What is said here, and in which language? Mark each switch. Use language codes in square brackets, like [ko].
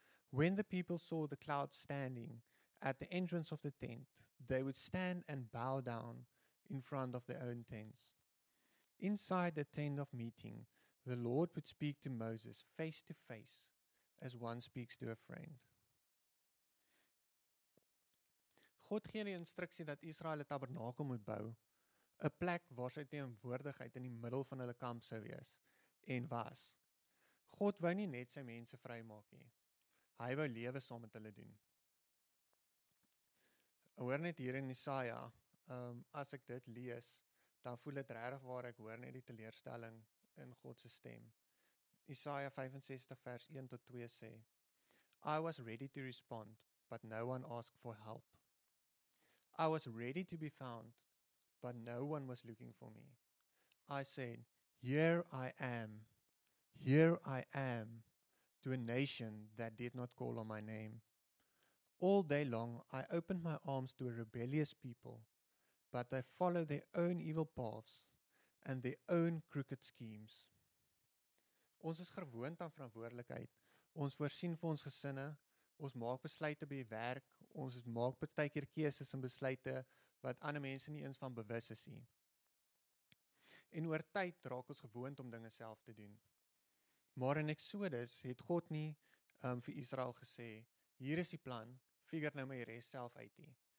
[en] When the people saw the cloud standing at the entrance of the tent, they would stand and bow down in front of their own tents. Inside the tent of meeting, the Lord would speak to Moses face to face as one speaks to a friend. [af] God gee die instruksie dat Israel 'n tabernakel moet bou, 'n plek waar sy teenwoordigheid in die middel van hulle kamp sou wees en was. God wou nie net sy mense vrymaak nie. hy wou lewe saam met hulle doen. Hoor net hier in Jesaja, as ek dit lees, dan voel het regtig waar ek hoor net die teleurstelling in Godse stem. Jesaja 65 vers 1 tot 2 sê, [en] I was ready to respond, but no one asked for help. I was ready to be found, but no one was looking for me. I said, here I am, to a nation that did not call on my name. All day long, I opened my arms to a rebellious people, but they follow their own evil paths and their own crooked schemes. [af] Ons is gewoond aan verantwoordelikheid. Ons voorsien vir ons gesinne, ons maak besluite by die werk, ons maak partykeer keuses en besluite wat ander mense nie eens van bewus is nie. En oor tyd raak ons gewoond om dinge self te doen. Maar in Exodus het God nie vir Israel gesê, hier is die plan, figure nou my res self uit nie.